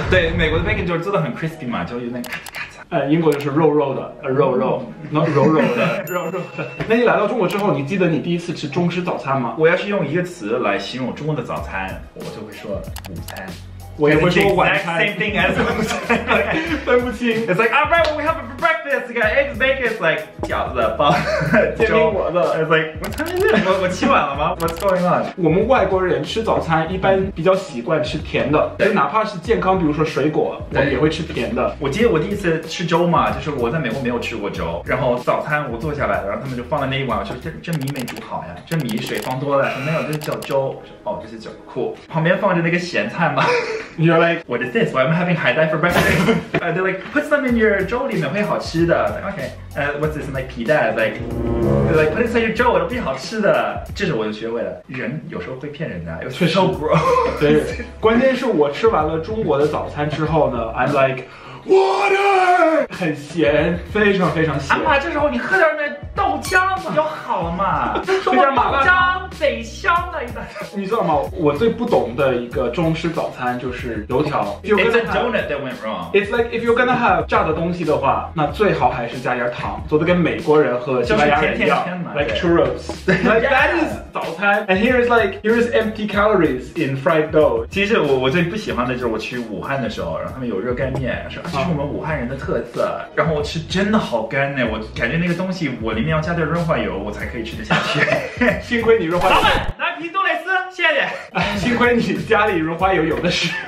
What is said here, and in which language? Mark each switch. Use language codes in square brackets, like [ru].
[zh] 对，美国的 bacon 就是做的很 crispy 嘛，就有点咔嚓咔嚓。英国就是肉肉的，肉肉，那柔柔的，肉肉的。那你来到中国之后，你记得你第一次吃中式早餐吗？我要是用一个词来形容中国的早餐，我就会说午餐。我也会说晚餐。 [en] Same thing as 午餐， [zh] 分不清。 [en] It's like all right, we have a breakfast, got eggs, bacon, it's like 饺子、包、 [zh] 煎饼果子。 [en] It's like [zh] 我餐是什么？我起晚了吗 ？ [en] What's going on？ [zh] 我们外国人吃早餐一般比较习惯吃甜的，就哪怕是健康，比如说水果，我们也会吃甜的。我记得我第一次吃粥嘛，就是我在美国没有吃过粥，然后早餐我坐下来，然后他们就放了那一碗，我说这米没煮好呀，这米水放多了。没有，这叫粥。哦，这是粥，酷。旁边放着那个咸菜嘛。 [en] You're like, what is this? Why am I having 海带 for breakfast? They're like, put some in your [zh] 粥里面会好吃的。 [en] Okay, what's this? Like 皮蛋 like, put it in your [zh] 粥都会好吃的。这是我就学会了，人有时候会骗人的，有时候 grow。对，关键是我吃完了中国的早餐之后呢， [en] I'm like, water! [zh] 很咸，非常非常咸。阿妈，这时候你喝点那豆浆不就好了嘛？什么豆浆？北香的，你知道吗？我最不懂的一个中式早餐就是油条。 [en] It's a donut that went wrong. It's like if you're gonna have [zh] 炸的东西的话，那最好还是加点糖，做的跟美国人和西班牙人一样，就是、甜甜 [en] like churros. Like that is 早餐。 And here is empty calories in fried dough. [zh] 其实我最不喜欢的就是我去武汉的时候，然后他们有热干面，说这是我们武汉人的特色。然后我吃真的好干呢，我感觉那个东西我里面要加点润滑油，我才可以吃得下去。幸亏你润滑。老板，拿瓶杜蕾斯，谢谢。幸亏你家里润滑油有的是。